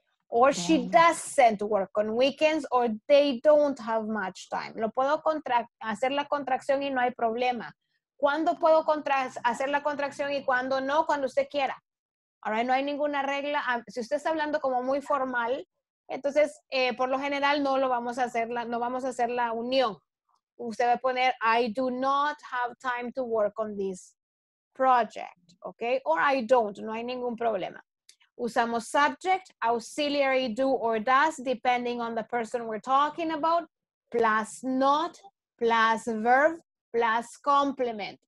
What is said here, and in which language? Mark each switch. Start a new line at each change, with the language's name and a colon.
English: Or she doesn't work on weekends, or they don't have much time.
Spanish: Lo puedo hacer la contracción y no hay problema. ¿Cuándo puedo hacer la contracción y cuándo no? Cuando usted quiera.
English: All right,
Spanish: no hay ninguna regla. Si usted está hablando como muy formal, entonces por lo general no vamos a hacer la unión. Usted va a poner,
English: I do not have time to work on this project. Okay? Or I don't,
Spanish: no hay ningún problema. Usamos
English: subject, auxiliary do or does, depending on the person we're talking about, plus not, plus verb, plus complement.